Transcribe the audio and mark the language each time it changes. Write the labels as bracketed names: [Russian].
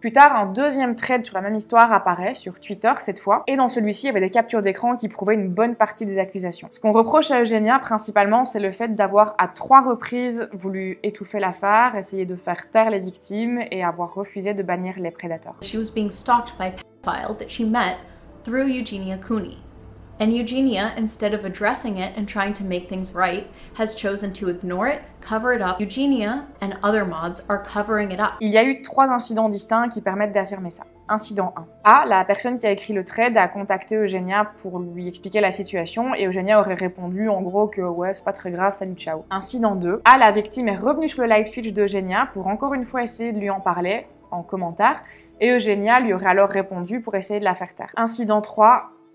[French] Plus tard, un deuxième thread sur la même histoire apparaît, sur Twitter cette fois, et dans celui-ci, il y avait des captures d'écran qui prouvaient une bonne partie des accusations. Ce qu'on reproche à Eugenia, principalement, c'est le fait d'avoir à 3 reprises voulu étouffer l'affaire, essayer de faire taire les victimes, et avoir refusé de bannir les prédateurs. [English] She was being stalked by a pedophile that she met through Eugenia Cooney. And Eugenia, instead of addressing it and trying to make things right, has chosen to ignore it, cover it up. Eugenia and other mods are covering it up. [French] Il y a eu 3 incidents distincts qui permettent d'affirmer ça. Incident 1. A, la personne qui a écrit le thread a contacté Eugenia pour lui expliquer la situation et Eugenia aurait répondu en gros que ouais, c'est pas très grave, salut, ciao. Incident 2. A, la victime est revenue sur le live Twitch d'Eugenia pour encore une fois essayer de lui en parler en commentaire et Eugenia lui aurait alors répondu pour essayer de la faire taire. Incident 3.